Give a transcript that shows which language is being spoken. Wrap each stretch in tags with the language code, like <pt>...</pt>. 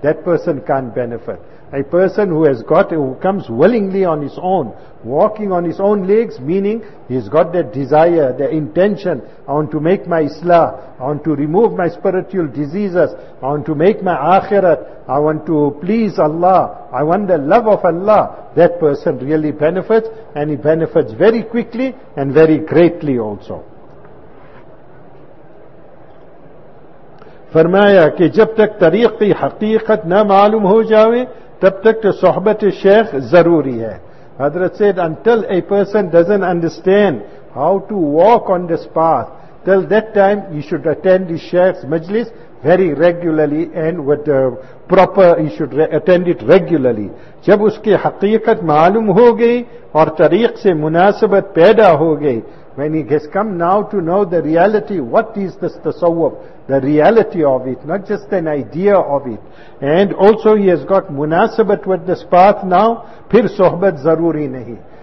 <en>That person can't benefit. A person who comes willingly on his own, walking on his own legs, meaning he's got that desire, the intention, I want to make my islah, I want to remove my spiritual diseases, I want to make my akhirat, I want to please Allah, I want the love of Allah, that person really benefits, and he benefits very quickly and very greatly also.</en> <ur>فرمایا کہ جب تک طریق کی حقیقت نہ معلوم ہو جاوے تب تک تو صحبت شیخ ضروری ہے.</ur> <en>حضرت said until a person doesn't understand how to walk on this path, till that time you should attend the Shaykh's majlis very regularly and with proper, you should attend it regularly.</en> <ur>جب اس کی حقیقت معلوم ہو گئی</ur> <en>اور طریق سے مناسبت پیدا ہو گئی, when he has come now to know the reality, what is this tasawwuf, the reality of it, not just an idea of it, and also he has got munasabat with this path now,</en> <ur>phir sohbat zaruri nahi.</ur>